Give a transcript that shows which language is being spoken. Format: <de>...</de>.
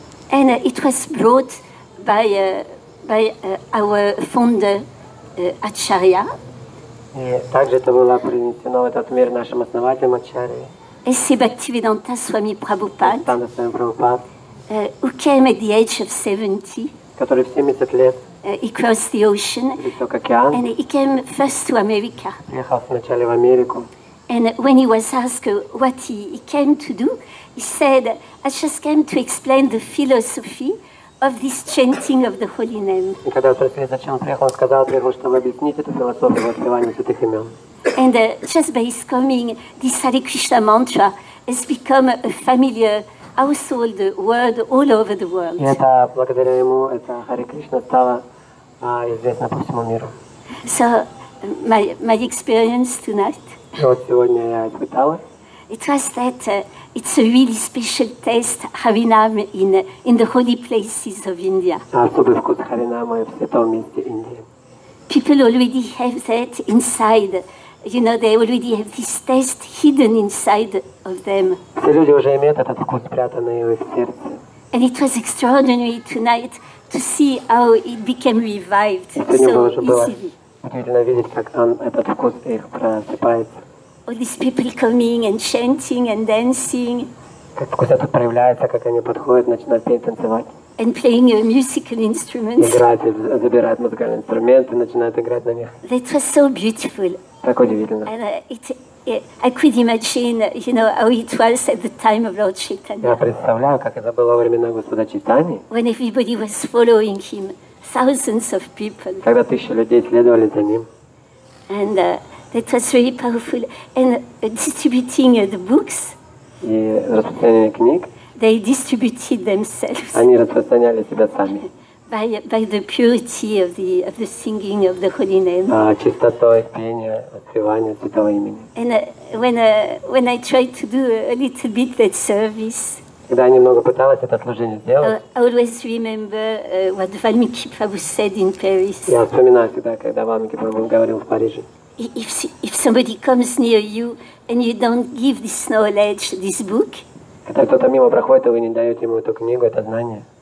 <en>And it was brought by our founder, Acharya.</en> <ru>также это было принесено в этот мир нашим основателем Ачарьи. Если Бхактивиданта Свами Прабхупад, Станда Свами Прабхупад,</ru> <en>who came at the age of 70,</en> <ru>который в 70 лет,</ru> <en>he crossed the ocean,</en> <ru>пересек океан,</ru> <en>and he came first to America.</en> <ru>Приехал сначала в Америку.</ru> <en>And when he was asked what he came to do, he said, I just came to explain the philosophy of this chanting of the holy name.</en> <ru>И когда спросили, зачем он приехал, он сказал, чтобы объяснить эту философию воспевания святых имен.</ru> <en>And just by his coming, this Hare Krishna mantra has become a familiar household word all over the world.</en> <ru>И это благодаря ему, это Hare Krishna стало известно по всему миру.</ru> <en>So my experience tonight.</en> <ru>И вот сегодня я испытала.</ru> <en>It was that it's a really special taste Harinam in the holy places of India.</en> <ru>Особый вкус Харинама в святом месте Индии.</ru> <en>People already have that inside. You know, they already have this taste hidden inside of them.</en> <ru>Все люди уже имеют этот вкус, спрятанный в их сердце.</ru> <en>And it was extraordinary tonight to see how it became revived so easily.</en> <ru>Удивительно видеть, как он, этот вкус их просыпается.</ru> <en>All these people coming and chanting and dancing.</en> <ru>Как вкус этот проявляется, как они подходят, начинают петь, танцевать.</ru> <en>And playing a musical instrument.</en> <ru>Играть, забирать музыкальные инструменты, начинают играть на них.</ru> <en>That was so beautiful.</en> <ru>Так удивительно.</ru> <en>And I could imagine, you know, how it was at the time of Lord Chaitanya.</en> <ru>Я представляю, как это было во времена Господа Чайтаньи.</ru> <en>When everybody was following him, thousands of people.</en> <ru>Когда тысячи людей следовали за ним.</ru> <en>And that was really powerful. And distributing the books.</en> <ru>И распространение книг.</ru> <en>They distributed themselves.</en> <ru>Они распространяли себя сами.</ru> <en>By the purity of the singing of the holy name.</en> <ru>Чистотой пения, отпевания святого имени.</ru> <en>And when I tried to do a little bit that service.</en> <ru>Когда я немного пыталась это служение сделать.</ru> <en>I always remember what Valmiki Prabhu said in Paris.</en> <ru>Я вспоминаю всегда, когда Валмики Прабху говорил в Париже.</ru> <en>If somebody comes near you and you don't give this knowledge, this book.</en> <ru>Когда кто-то мимо проходит, и вы не даете ему эту книгу, это знание.</ru>